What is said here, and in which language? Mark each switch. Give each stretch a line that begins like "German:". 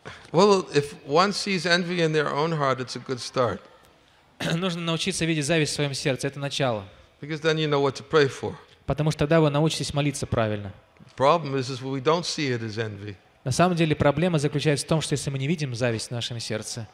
English: Well, if one sees envy in their own heart, it's a good start.
Russian: Нужно научиться видеть зависть в своем сердце. Это начало.
English: Because then you know what to pray for.
Russian: Потому что тогда вы научитесь молиться правильно.
English: Problem is we don't see it as envy.
Russian: На самом деле проблема заключается в том, что если мы не видим зависть в нашем сердце,